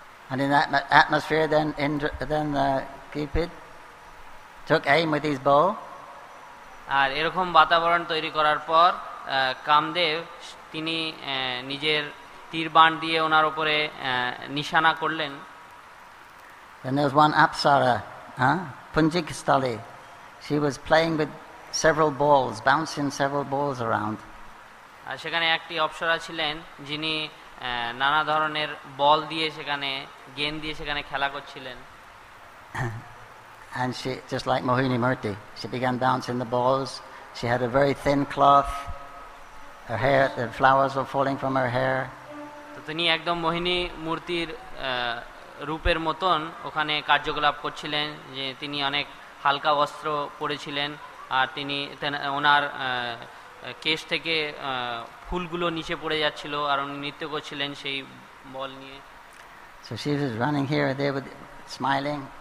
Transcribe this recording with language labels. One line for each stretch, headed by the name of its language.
English: And in that atmosphere then Cupid took aim with his bow.
Bangla: আর এরকম বাতাবরণ তৈরি করার পর কামদেব তিনি নিজের তীর বাণ দিয়ে ওনার উপরে নিশানা করলেন।
English: Then there was one apsara, Punjik Stali. She was playing with several balls, bouncing several balls around.
Bangla: আর সেখানে একটি অপ্সরা ছিলেন যিনি নানা ধরনের বল দিয়ে সেখানে, গেন দিয়ে সেখানে খেলা করছিলেন।
English: And she, just like Mohini Murti, she began bouncing the balls. She had a very thin cloth. Her hair, the flowers were falling from her hair.
Bangla: তিনি একদম মোহিনী মূর্তির রূপের মতন ওখানে কার্যকলাপ করছিলেন, যে তিনি অনেক হালকা বস্ত্র পরেছিলেন আর তিনি ওনার কেশ থেকে ফুলগুলো নিচে পড়ে যাচ্ছিল আর উনি নৃত্য করছিলেন সেই বল নিয়ে।
English: So she was running here and there with smiling.